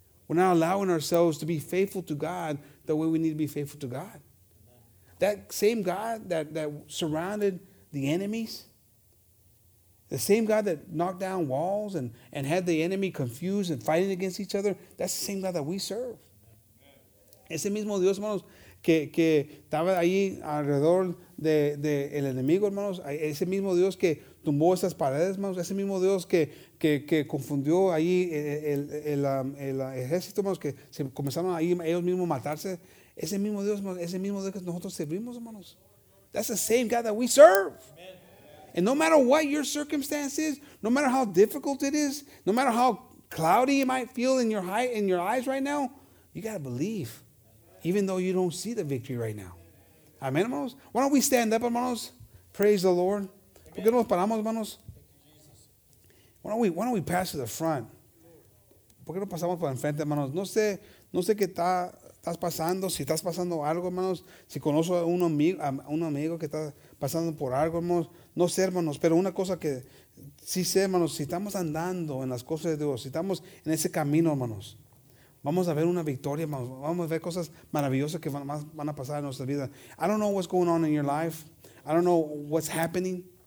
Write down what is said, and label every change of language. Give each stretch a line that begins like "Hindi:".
English: We're not allowing ourselves to be faithful to God the way we need to be faithful to God. Amen. That same God that surrounded the enemies, the same God that knocked down walls and had the enemy confused and fighting against each other, that's the same God that we serve.
Spanish: Ese mismo Dios, hermanos, que estaba ahí alrededor de el enemigo, hermanos, ese mismo Dios que tumbó esas paredes, hermanos. Ese mismo Dios que confundió ahí el ejército, hermanos, que se comenzaron ahí ellos mismos a matarse. Ese mismo Dios, hermanos, ese mismo Dios que nosotros servimos, hermanos.
English: That's the same God that we serve. And no matter what your circumstance is, no matter how difficult it is, no matter how cloudy it might feel in your eyes right now, you got to believe, even though you don't see the victory right now. Amen, hermanos. Why don't we stand up, hermanos? Praise the Lord.
Spanish: ¿Por qué nos paramos, hermanos?
English: Why don't we pass to the front?
Spanish: ¿Por qué no pasamos por enfrente, hermanos? No sé qué estás pasando. Si estás pasando algo, hermanos. Si conozco a un amigo que está pasando por algo, hermanos. No sé, hermanos. Pero una cosa que sí sé, hermanos. Si estamos andando en las cosas de Dios, si estamos en ese camino, hermanos, vamos a ver una victoria, hermanos. Vamos a ver cosas maravillosas que van a pasar en nuestra vida.
English: I don't know what's going on in your life. I don't know what's happening.